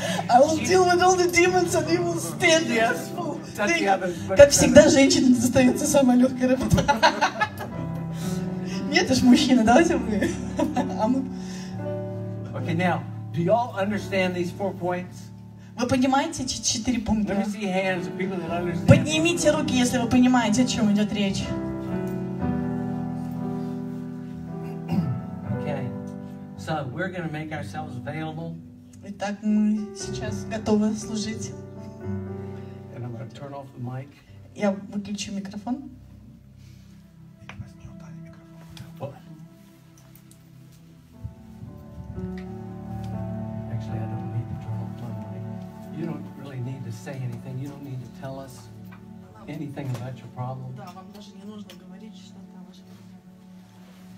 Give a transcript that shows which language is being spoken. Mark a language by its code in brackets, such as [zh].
[en] I will deal with all the demons and you will stand there. Yes, [ru] как всегда, женщине достается самая легкая работа. Нет, это ж мужчина, давайте мы. [en] Okay, now, do you all understand these four points? [ru] Вы понимаете эти четыре пункта? [en] Let me see hands of people that understand. [ru] Поднимите руки, если вы понимаете, о чем идет речь. [en] So we're going to make ourselves available. [ru] Итак, мы сейчас готовы служить. [en] And I'm going to turn off the mic. [ru] Я выключу микрофон. [en] Actually, I don't need to turn off my mic. You don't really need to say anything. You don't need to tell us anything about your problem. [ru] Да, вам даже не нужно говорить что-то о вашей проблеме.